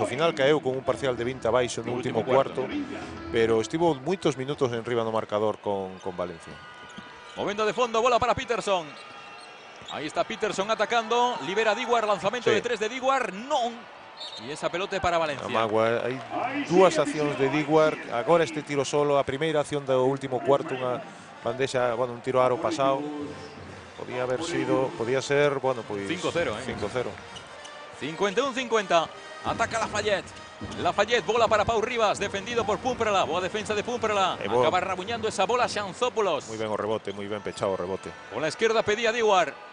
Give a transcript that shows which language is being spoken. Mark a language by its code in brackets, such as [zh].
[gl] Ao final caeu con un parcial de 20 abaixo no último cuarto, pero estivo moitos minutos en riba no marcador con Valencia. Movendo de fondo, bola para Peterson. Aí está Peterson atacando, libera Diguar, lanzamento sí. De tres de Diguar, non. E esa pelota para Valencia. Amagua, hai dúas accións de Diguar, agora este tiro solo, a primeira acción do último cuarto, unha bandeja, bueno, un tiro aro pasado. Podía haber sido, podía ser, bueno, pues 5-0, 5-0. 51-50. Ataca Lafayette, bola para Pau Rivas, defendido por Pumprela, boa defensa de Pumprela. Acaba rabuñando esa bola Xanthopoulos. [es] Muy bien [gl] o rebote, muy bien pechado o rebote. [es] Con la izquierda pedía Diguar.